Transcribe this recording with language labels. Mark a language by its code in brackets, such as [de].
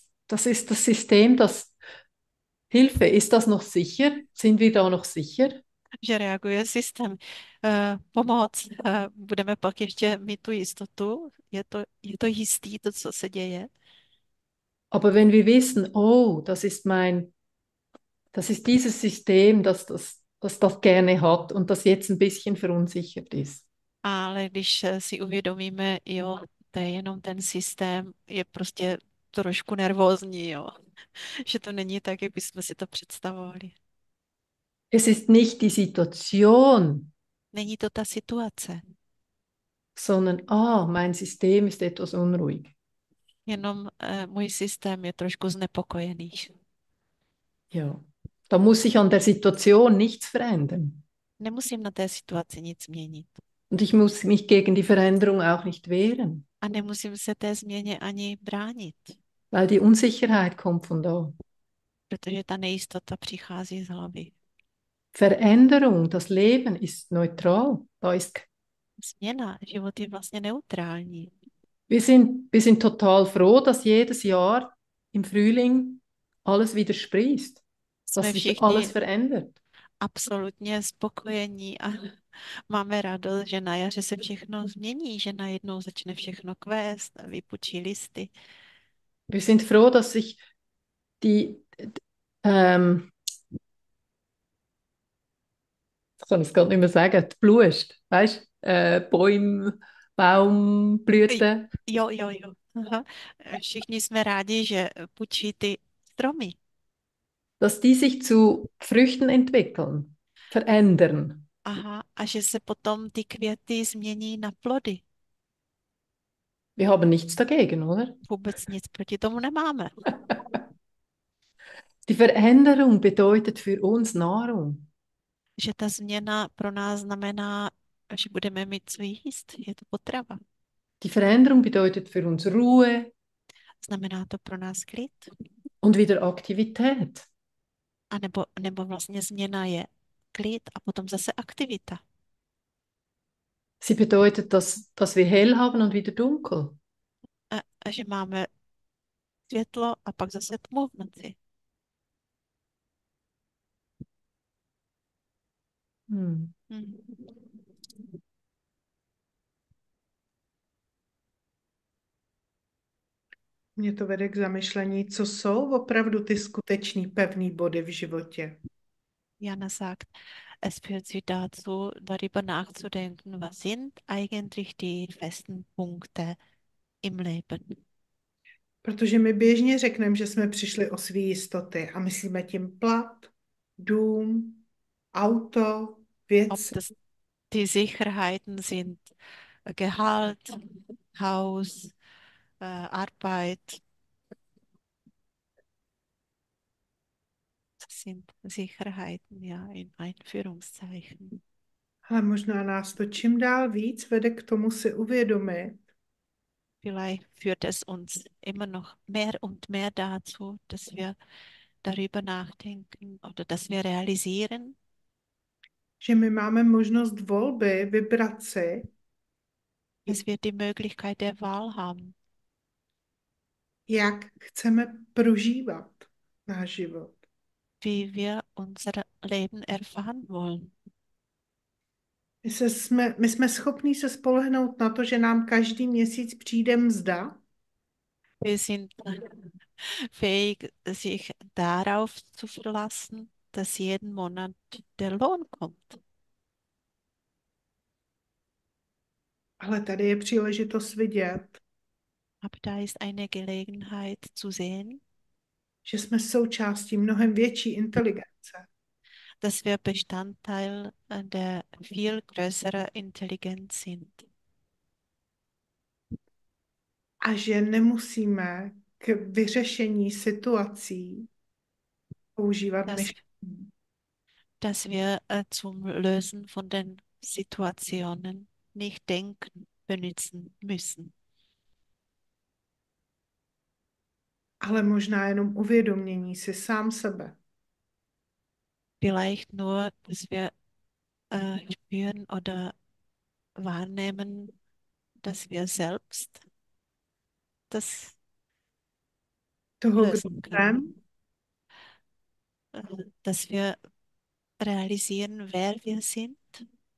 [de] Das ist das System, das Hilfe, ist das noch sicher? Sind wir da noch sicher? [cs] Že reaguje systém. Pomoc. Budeme pak ještě mít tu jistotu. Je to jistý, to, co se děje. [de] Aber wenn wir wissen, oh, das ist mein. Das ist dieses System, das gerne hat und das jetzt ein bisschen verunsichert ist. [cs] Ale když si uvědomíme, jo, to je jenom ten systém, je prostě trošku nervózní, jo. Že to není tak, jak bychom si to představovali. [de] Es ist nicht die Situation, [cs] Není to ta situace. [de] sondern, ah, mein System ist etwas unruhig. [cs] Jenom můj systém je trošku znepokojený. [de] Ja. Da muss ich an der Situation nichts verändern. [cs] Nemusím na té situaci nic měnit. [de] Und ich muss mich gegen die Veränderung auch nicht wehren. [cs] A nemusím se té změně ani bránit. [de] Weil die Unsicherheit kommt von da. [cs] Protože ta nejistota přichází z hlavy. [de] Veränderung, das Leben ist neutral. Da ist. [cs] Změna, život je vlastně neutrální. [de] Wir sind total froh, dass jedes Jahr im Frühling alles wieder sprießt. [cs] Jsme [de] Dass sich alles [cs] všichni [de] verändert. [cs] absolutně spokojení a máme radost, že na jaře se všechno změní, že najednou začne všechno kvést a vypučí listy. [de] Wir sind froh, dass sich ich kann es gar nicht mehr sagen, die Blust, weißt du, Bäume, Baumblüten. [cs] Jo. Aha. Všichni jsme rádi, že pučí ty stromy. [de] Dass die sich zu Früchten entwickeln, verändern. [cs] Aha, a že se potom ty květy změní na plody. [de] Wir haben nichts dagegen, oder? [cs] Vůbec nic proti tomu nemáme. [de] Die Veränderung bedeutet für uns Nahrung. [cs] Že ta změna pro nás znamená, že budeme mít co jíst. Je to potrava. [de] Die Veränderung bedeutet für uns Ruhe [cs] Znamená to pro nás klid? [de] und wieder Aktivität. [cs] A nebo vlastně změna je klid a potom zase aktivita. [de] Sie bedeutet, dass wir hell haben und wieder dunkel. [cs] A že máme světlo a pak zase tmu v noci. Mě to vede k zamyšlení, co jsou opravdu ty skutečný pevný body v životě. [de] Jana sagt, es führt sie dazu, darüber nachzudenken, was sind eigentlich die festen Punkte im Leben. [cs] Protože my běžně řekneme, že jsme přišli o své jistoty a myslíme tím plat, dům, auto, [de] Ob [cs] věci. [de] das die Sicherheiten sind, Gehalt, Haus, Arbeit. Sind Sicherheiten, ja, in Einführungszeichen. [cs] Ale možná nás to čím dál víc vede k tomu si uvědomit. [de] Vielleicht führt es uns immer noch mehr und mehr dazu, dass wir darüber nachdenken oder dass wir realisieren, [cs] Že my máme možnost volby vybrat si, [de] dass wir die Möglichkeit der Wahl haben. [cs] jak chceme prožívat náš život. [de] Wie wir unser Leben erfahren wollen. [cs] My jsme schopni se spolehnout na to, že nám každý měsíc přijde mzda. [de] Wir sind fähig, sich darauf zu verlassen, dass jeden Monat der Lohn kommt. [cs] Ale tady je příležitost vidět, [de] Aber da ist eine Gelegenheit zu sehen. [cs] že jsme součástí mnohem větší inteligence. [de] Dass wir Bestandteil der viel größeren Intelligenz sind. [cs] A že nemusíme k vyřešení situací používat [de] Dass [cs] myšlení. [de] wir zum Lösen von den Situationen nicht denken, benutzen müssen. [cs] Ale možná jenom uvědomění si sám sebe. [de] Vielleicht nur, dass wir spüren oder wahrnehmen, dass wir selbst das [cs] Toho, kdo [de] lösen [cs] jsem. [de] können. Dass wir realisieren, wer wir sind,